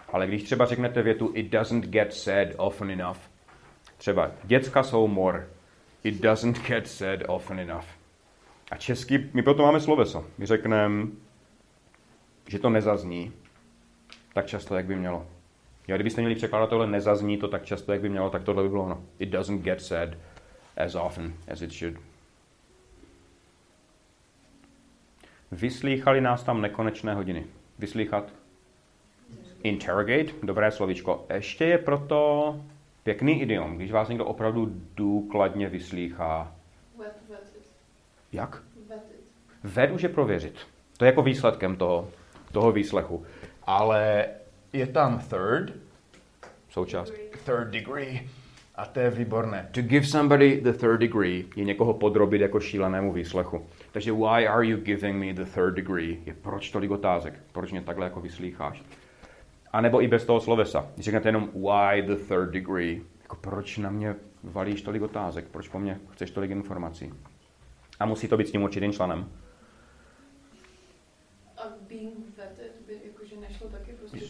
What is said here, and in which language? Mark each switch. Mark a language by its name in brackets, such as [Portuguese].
[English] Ale když třeba řeknete větu it doesn't get said often enough, třeba děcka jsou mor, it doesn't get said often enough. [Czech] A česky, my proto máme sloveso. My řekneme, že to nezazní tak často, jak by mělo. Jo, kdybyste měli překládat tohle nezazní to tak často, jak by mělo, tak tohle by bylo ono. [English] It doesn't get said as often as it should. [Czech] Vyslýchali nás tam nekonečné hodiny. Vyslýchat? Interrogate? Dobré slovíčko. Ještě je proto pěkný idiom, když vás někdo opravdu důkladně vyslýchá. [English] Vetted. [Czech] Jak? [English] Vetted. [Czech] Ved už je prověřit. To je jako výsledkem toho výslechu. Ale je tam third, součást. [English] Degree. [Czech] Third degree. A to je výborné. To give somebody the third degree je někoho podrobit jako šílenému výslechu. [English] Takže why are you giving me the third degree? [Czech] Je proč tolik otázek? Proč mě takhle jako vyslýcháš? A nebo i bez toho slovesa. Když řeknete jenom why the third degree, jako proč na mě valíš tolik otázek? Proč po mně chceš tolik informací? A musí to být s tím určitým členem. A being vetted, jakože nešlo taky prostě